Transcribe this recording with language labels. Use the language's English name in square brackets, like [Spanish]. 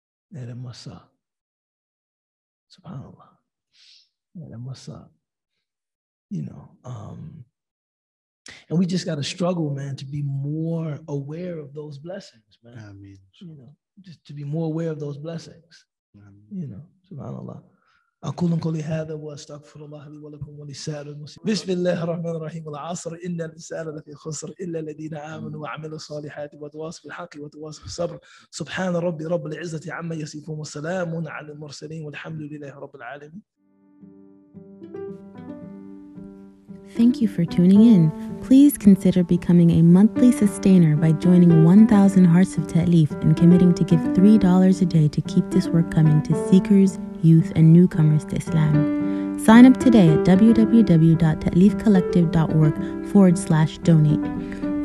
[English] Yeah, that must suck. SubhanAllah. Yeah, that must suck. You know, and we just got to struggle, man, to be more aware of those blessings, man. I mean, you know, just to be more aware of those blessings, I mean, you know, SubhanAllah. [Arabic] أقول كل هذا وأستغفر الله لي ولكم ولسائر المسلمين. بسم الله الرحمن الرحيم. العصر إن الإنسان لفي خسر إلا الذين آمنوا وعملوا الصالحات وتواصوا بالحق وتواصوا بالصبر. سبحان ربي رب العزة عما يصفون وسلام على المرسلين والحمد لله رب العالمين. [English] Thank you for tuning in. Please consider becoming a monthly sustainer by joining 1,000 Hearts of Ta'lif and committing to give $3 a day to keep this work coming to seekers, youth, and newcomers to Islam. Sign up today at www.ta'lifcollective.org/donate.